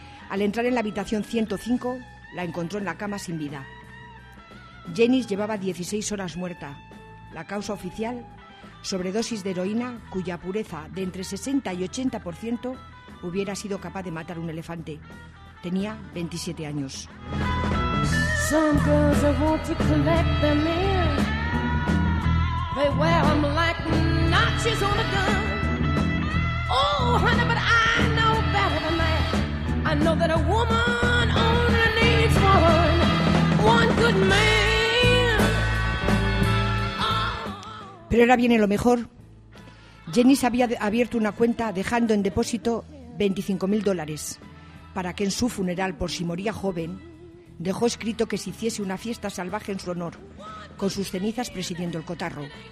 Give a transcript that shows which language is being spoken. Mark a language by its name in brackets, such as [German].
[Spanish] Al entrar en la habitación 105, la encontró en la cama sin vida. Jenis llevaba 16 horas muerta. La causa oficial, sobredosis de heroína, cuya pureza de entre 60 y 80% hubiera sido capaz de matar un elefante. Tenía 27 años. [English] Some girls I want to collect them in. They wear them like notches on a gun. Oh, honey, but I know better than that. I know that a woman only needs one. One good man. [Spanish] Pero ahora viene lo mejor. Jenis había abierto una cuenta dejando en depósito $25,000 para que en su funeral, por si moría joven, dejó escrito que se hiciese una fiesta salvaje en su honor, con sus cenizas presidiendo el cotarro.